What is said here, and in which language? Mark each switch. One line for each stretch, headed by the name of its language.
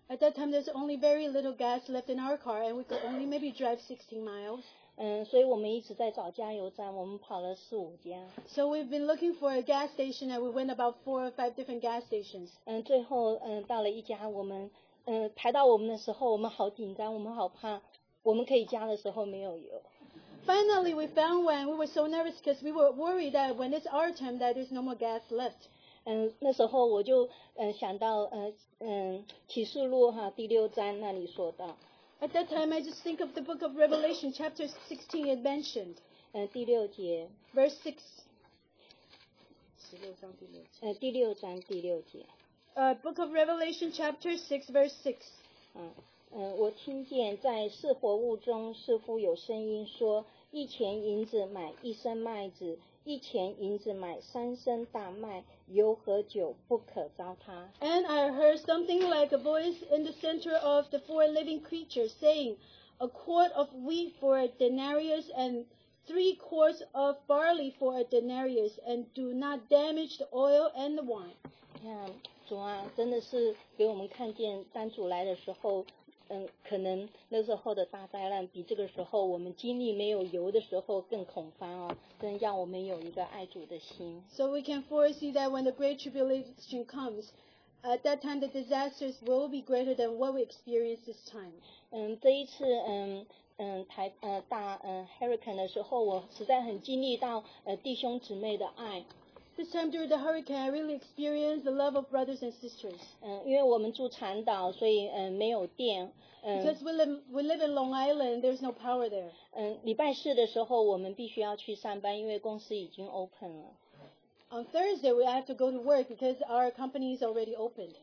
English: At that time, there's only very little gas left in our car, and we could only maybe drive 16 miles.
Chinese: 所以我们一直在找加油站，我们跑了4-5家。
English: So we've been looking for a gas station and we went about 4 or 5 different gas stations.
Chinese: 最后到了一家，我们排到我们的时候，我们好紧张，我们好怕，我们可以加的时候没有油。
English: Finally we found one. We were so nervous because we were worried that when it's our turn that there's no more gas left.
Chinese: 那时候我就想到启示录哈第六章那里说到。
English: At that time, I just think of the book of Revelation, chapter 16, it mentioned.
Chinese: 第六节。
English: Verse
Chinese: 6. 第六章第六节。
English: Book of Revelation, chapter 6, verse 6.
Chinese: 我听见在四活物中似乎有声音说，一钱银子买一升麦子，一钱银子买三升大麦，油和酒不可糟蹋。
English: And I heard something like a voice in the center of the four living creatures saying, a quart of wheat for a denarius and 3 quarts of barley for a denarius, and do not damage the oil and the wine. Yeah.
Chinese: 主啊，真的是给我们看见当主来的时候，可能那时候的大灾难比这个时候我们经历没有油的时候更恐慌啊！真让我们有一个爱主的心。
English: So we can foresee that when the great tribulation comes, at that time the disasters will be greater than what we experience this time.
Chinese: 这一次hurricane 的时候，我实在很经历到弟兄姊妹的爱。
English: This time during the hurricane, I really experienced the love of brothers and sisters.
Chinese: 因为我们住长岛，所以没有电。
English: Because we live in Long Island, there's no power there.
Chinese: 礼拜四的时候我们必须要去上班，因为公司已经 open 了。
English: On Thursday, we have to go to work because our company is already opened.